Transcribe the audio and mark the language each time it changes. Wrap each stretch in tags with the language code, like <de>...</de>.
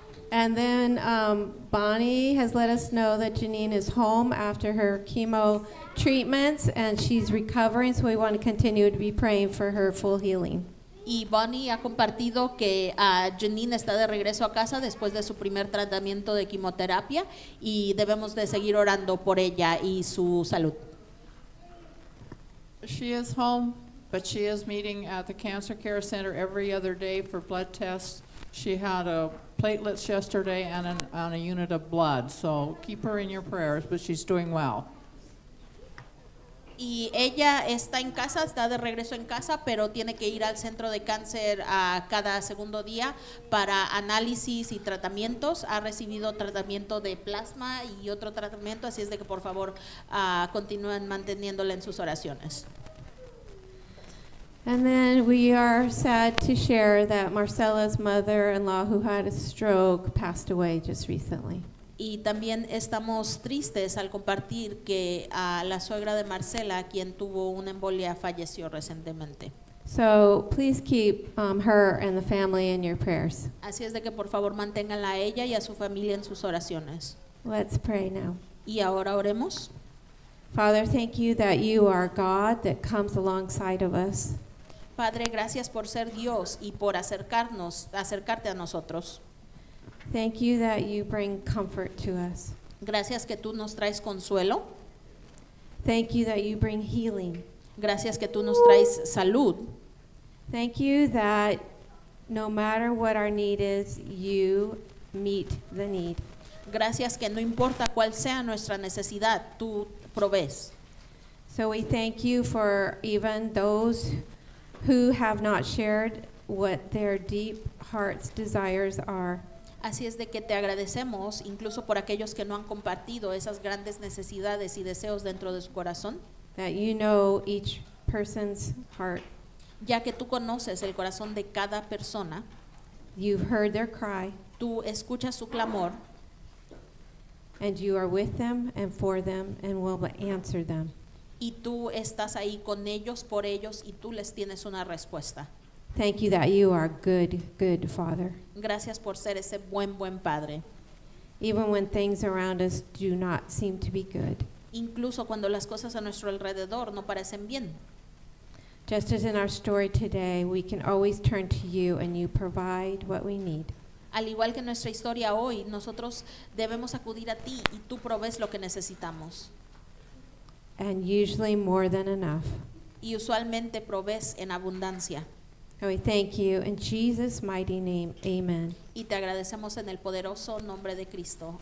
<en>And then Bonnie has let us know that Janine is home after her chemo treatments and she's recovering, so we want to continue to be praying for her full healing.</en> <es>Y Bonnie ha compartido que Janine está de regreso a casa después de su primer tratamiento de quimioterapia y debemos de seguir orando por ella y su salud.</es> <en>She is home, but she is meeting at the Cancer Care Center every other day for blood tests. She had a platelets yesterday and on a unit of blood. So keep her in your prayers, but she's doing well.</en> <es>Y ella está en casa, está de regreso en casa, pero tiene que ir al centro de cáncer cada segundo día para análisis y tratamientos. Ha recibido tratamiento de plasma y otro tratamiento, así es de que por favor continúen manteniéndola en sus oraciones.</es> <en>And then we are sad to share that Marcela's mother-in-law, who had a stroke, passed away just recently.</en> <es>Y también estamos tristes al compartir que la suegra de Marcela, quien tuvo una embolia, falleció recientemente.</es> <en>So please keep her and the family in your prayers.</en> <es>Así es de que por favor manténganla a ella y a su familia en sus oraciones.</es> <en>Let's pray now.</en> <es>Y ahora oremos.</es> <en>Father, thank you that you are God that comes alongside of us.</en> <es>Padre, gracias por ser Dios y por acercarte a nosotros.</es> <en>Thank you that you bring comfort to us.</en> <es>Gracias que tú nos traes consuelo.</es> <en>Thank you that you bring healing.</en> <es>Gracias que tú nos traes salud.</es> <en>Thank you that no matter what our need is, you meet the need.</en> <es>Gracias que no importa cuál sea nuestra necesidad, tú provees.</es> <en>So we thank you for even those who have not shared what their deep heart's desires are.</en> <es>Así es de que te agradecemos incluso por aquellos que no han compartido esas grandes necesidades y deseos dentro de su corazón.</es> <en>That you know each person's heart.</en> <es>Ya que tú conoces el corazón de cada persona.</es> <en>You've heard their cry.</en> <es>Tú escuchas su clamor.</es> <en>And you are with them and for them and will answer them.</en> <es>Y tú estás ahí con ellos, por ellos, y tú les tienes una respuesta.</es> <en>Thank you that you are good Father.</en> <es>Gracias por ser ese buen Padre.</es> <en>Even when things around us do not seem to be good.</en> <es>Incluso cuando las cosas a nuestro alrededor no parecen bien.</es> <en>Just as in our story today, we can always turn to you and you provide what we need.</en> <es>Al igual que en nuestra historia hoy, nosotros debemos acudir a ti y tú provees lo que necesitamos.</es> <en>And usually more than enough.</en> <es>Y usualmente provees en abundancia.</es> <en>We thank you in Jesus' mighty name. Amen.</en> <es>Y te agradecemos en el poderoso nombre de Cristo.</es>